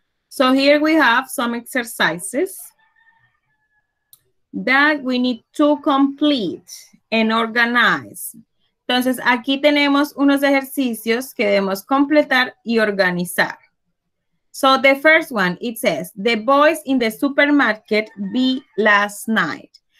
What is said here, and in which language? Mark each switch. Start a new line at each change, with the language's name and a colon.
English: So here we have some exercises that we need to complete and organize.
Spanish: Entonces, aquí tenemos unos ejercicios que debemos completar y organizar.
English: So the first one, it says, the boys in the supermarket beat last night.